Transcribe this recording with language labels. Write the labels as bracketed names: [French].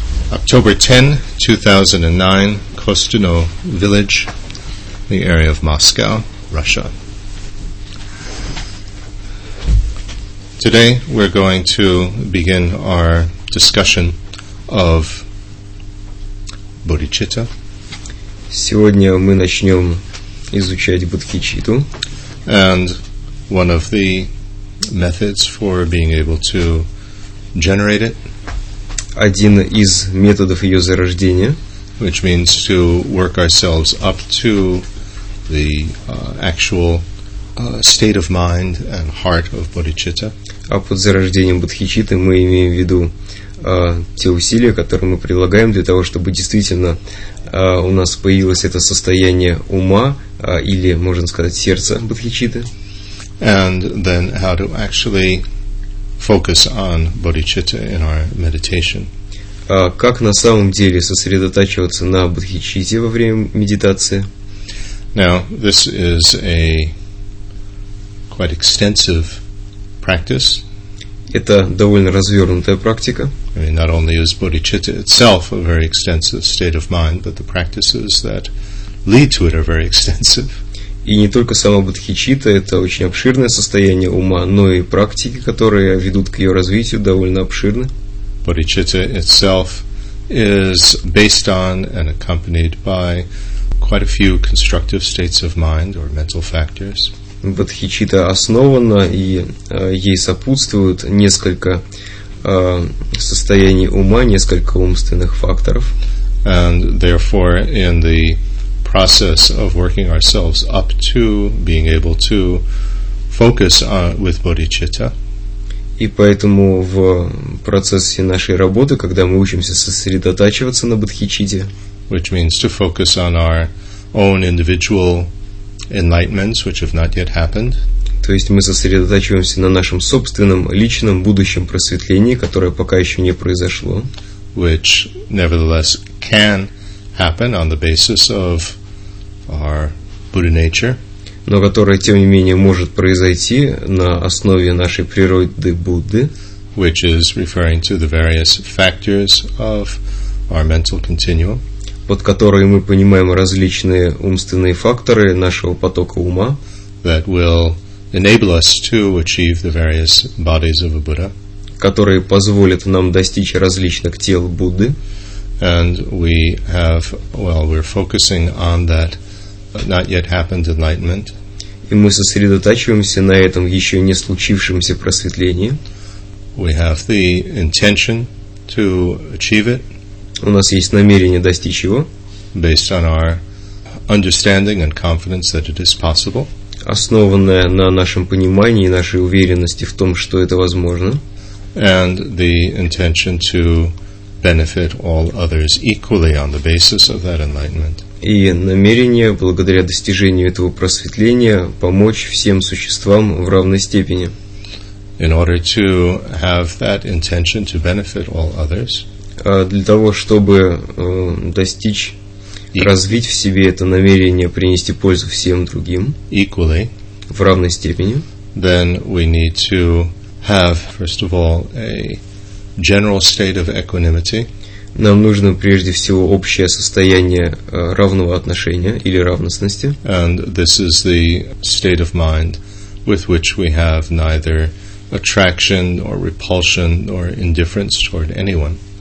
[English] October 10, 2009, Kostino Village, the area of Moscow, Russia. Today we're going to begin our discussion of bodhicitta. [Russian] Сегодня мы начнем изучать бодхичитту. [English] And one of the methods for being able to generate it. [Russian] Один из методов ее зарождения. [English] Which means to work ourselves up to the actual state of mind and heart of bodhicitta. [Russian] А под зарождением бодхичитты мы имеем в виду те усилия, которые мы прилагаем для того, чтобы действительно у нас появилось это состояние ума или, можно сказать, сердца бодхичитты. [English] And then how to actually focus on bodhicitta in our meditation. [Russian] Как на самом деле сосредотачиваться на бодхичитте во время медитации? [English] Now, this is a quite extensive practice. [Russian] Это довольно развернутая практика. [English] I mean, not only is bodhicitta itself a very extensive state of mind, but the practices that lead to it are very extensive. [Russian] И не только сама бодхичитта – это очень обширное состояние ума, но и практики, которые ведут к ее развитию, довольно обширны. [English] Bodhicitta itself is based on and accompanied by quite a few constructive states of mind or mental factors. [Russian] Бодхичитта основана и ей сопутствуют несколько состояний ума, несколько умственных факторов. [English] And therefore, in the process of working ourselves up to being able to focus on with bodhicitta. [Russian] И поэтому в процессе нашей работы, когда мы учимся сосредотачиваться на бодхичитте, [English] which means to focus on our own individual enlightenments, which have not yet happened. [Russian] То есть мы сосредотачиваемся на нашем собственном личном будущем просветлении, которое пока еще не произошло. [English] Which nevertheless can happen on the basis of our Buddha nature. [Russian] Но которое, тем не менее, может произойти на основе нашей природы Будды. [English] Which is referring to the various factors of our mental continuum. [Russian] Под которой мы понимаем различные умственные факторы нашего потока ума. [English] That will enable us to achieve the various bodies of a Buddha. [Russian] Которые позволят нам достичь различных тел Будды. [English] And we have, well, we're focusing on that not yet happened enlightenment. [Russian] И мы сосредотачиваемся на этом еще не случившемся просветлении. [English] We have the intention to achieve it. [Russian] У нас есть намерение достичь его. [English] Based on our understanding and confidence that it is possible. [Russian] Основанное на нашем понимании и нашей уверенности в том, что это возможно. [English] And the intention to benefit all others equally on the basis of that enlightenment. [Russian] И намерение, благодаря достижению этого просветления, помочь всем существам в равной степени. [English] In order to have that intention to benefit all others. [Russian] Для того, чтобы достичь, развить в себе это намерение принести пользу всем другим. [English] Equally. [Russian] В равной степени. [English] Then we need to have, first of all, a general state of equanimity. [Russian] Нам нужно прежде всего общее состояние равного отношения или равностности. [English] And this is the state of mind with which we have neither attraction or repulsion or indifference toward anyone.